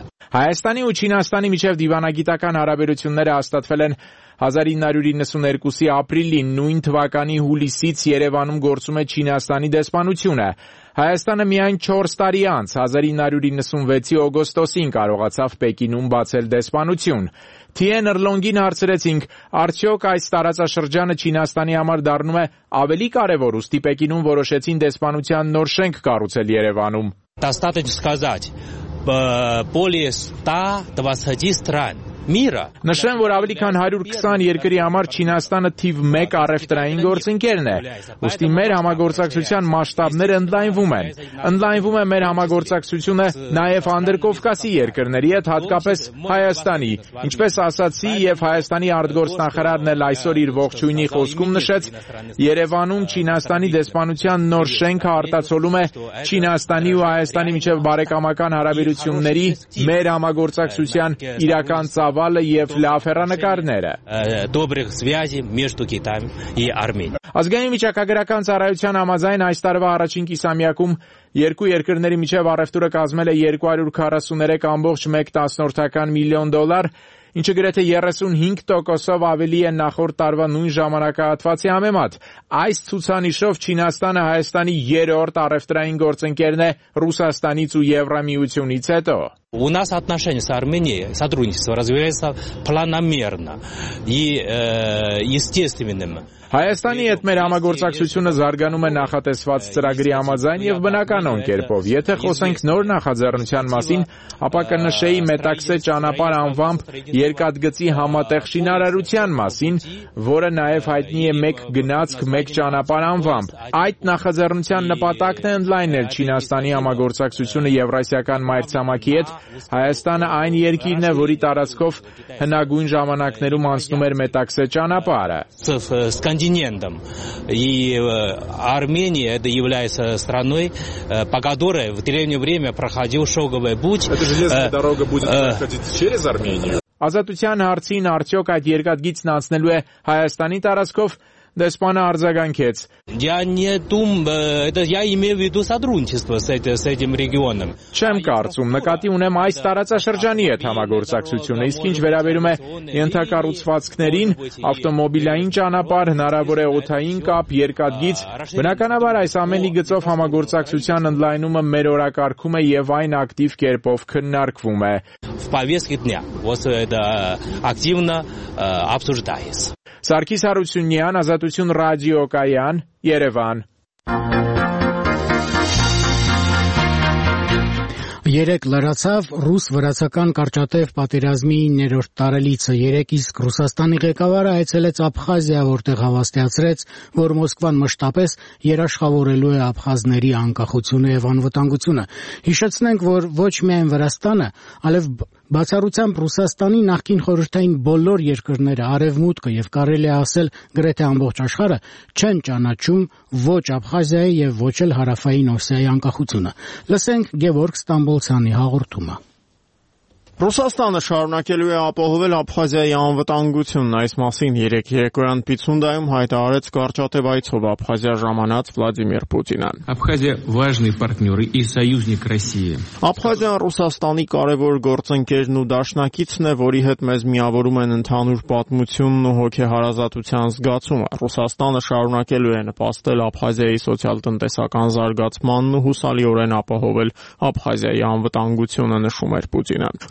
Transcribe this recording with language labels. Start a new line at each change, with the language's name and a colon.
Armenian: Հայաստանի ու Չինաստանի միջև դիվանագիտական հարաբերությունները հաստատվել են 1992-ի ապրիլին, նույն թվականի հուլիսից Երևանում գործում է Չինաստանի դեսպանությունը։ Հայաստանը միայն 4 տարի անց, 1996-ի օգոստոսին կարողացավ Պեկինում բացել դեսպանություն։ Թիենր Լոնգին հարցրեցինք, արդյոք այս տարածաշրջանը Չինաստանի համար դառնում է ավելի կարևոր, ուստի Պեկինում որոշեցին դեսպանության նոր շենք կառուցել Երևանում։
Russian: Достаточно сказать, более 120 стран мира.
Armenian: Նշեմ, որ ավելի քան 120 երկրի համար Չինաստանը թիվ 1 առևտրային գործընկերն է, ուստի մեր համագործակցության մասշտաբները ընդլայնվում են։ Ընդլայնվում է մեր համագործակցությունը նաև Անդրկովկասի երկրների հետ, հատկապես Հայաստանի, ինչպես ասացի, եւ Հայաստանի արտգործնախարարն էլ այսօր իր ողջույնի խոսքում նշեց, Երևանում Չինաստանի դեսպանության նոր շենքը արտացոլում է Չինաստանի ու Հայաստանի միջև բարեկամական հարաբերությունների, մեր համագործակցության իրական ծավալը եւ լավ հեռանկարները։
Russian: Добрых связей между Китаем и Арменией։
Armenian: Ազգային միջակայական ծառայության համաձայն այս տարվա առաջին կիսամյակում երկու երկրների միջև առևտուրը կազմել է 243.1 միլիոն դոլար, ինչը գրեթե 35%-ով ավելի է նախորդ տարվա նույն ժամանակահատվածի համեմատ։ Այս ցուցանիշով Չինաստանը Հայաստանի 3-րդ առևտրային գործընկերն է Ռուսաստանից ու Եվրամիությունից հետո։
Russian: У нас отношения с Арменией, сотрудничество развивается планомерно и естественным.
Armenian: Հայաստանի հետ մեր համագործակցությունը զարգանում է նախատեսված ծրագրի համաձայն և բնականոն կերպով։ Եթե խոսենք նոր նախաձեռնության մասին, ապա կնշեի Մետաքսե ճանապարհ անվամբ երկաթգծի համատեղ շինարարության մասին, որը նաև հայտնի է մեկ գնացք մեկ ճանապարհ անվամբ։ Այդ նախաձեռնության նպատակն է ընդլայնել Չինաստանի համագործակցությունը Եվրասիական մայրցամաքի հետ։ Հայաստանը այն երկիրն է, որի տարածքով հնագույն ժամանակներում անցնում էր Մետաքսե ճանապարհը
Russian: с континентом. И Армения это является страной, по которой в древнее время проходил шелковый путь. Эта железная дорога будет проходить через Армению.
Armenian: Ազատության հարցին արդյոք այդ երկաթգիծն անցնելու է Հայաստանի տարածքով, դեսպանը արձագանքեց.
Russian: Я имею в виду сотрудничество с этим регионом.
Armenian: Չեմ կարծում, նկատի ունեմ այս տարածաշրջանի հետ համագործակցությունը, իսկ ինչ վերաբերում է ենթակառուցվածքներին, ավտոմոբիլային ճանապարհ, հնարավոր է օդային կապ, երկաթգիծ, բնականաբար այս ամենի գծով համագործակցության ընդլայնումը մեր օրակարգում է եւ այն ակտիվ կերպով քննարկվում է.
Russian: В повестке дня вот это активно обсуждается.
Armenian: Սարգիս Հարությունյան, Ազատություն ռադիո Կայան, Երևան. Երեկ լրացավ ռուս-վրացական կարճատև պատերազմի 9-րդ տարելիցը, երեկ իսկ Ռուսաստանի ղեկավարը այցելեց Աբխազիա, որտեղ հավաստիացրեց, որ Մոսկվան մշտապես երաշխավորելու է աբխազների անկախությունը եւ անվտանգությունը։ Հիշեցնենք, որ ոչ միայն Վրաստանը, այլև բացառությամբ Ռուսաստանի նախկին խորհրդային բոլոր երկրները, արևմուտքը եւ կարելի է ասել գրեթե ամբողջ աշխարհը չեն ճանաչում ոչ Աբխազիայի եւ ոչ էլ հարավային Օսիայի անկախությունը։ Լսենք Գևորգ Ստամբոլցյանի հաղորդումը։ Ռուսաստանը շարունակելու է ապահովել Աբխազիայի անվտանգությունն, այս մասին 3-երեկոյան Պիցունդայում հայտարարեց Կարճատև այցով Աբխազիա ժամանած Վլադիմիր Պուտինան։
Russian: Աբխազիա важный партнёр и союзник России։
Armenian: Աբխազիան Ռուսաստանի կարևոր գործընկերն ու դաշնակիցն է, որի հետ մեզ միավորում են ընդհանուր պատմությունն ու հոգեհարազատության զգացումը։ Ռուսաստանը շարունակելու է նպաստել Աբխազիայի սոցիալ-տնտեսական զարգացմանն ու հուսալիորեն ապահովել Աբխազիայի անվտանգությունը, նշում էր Պուտինը։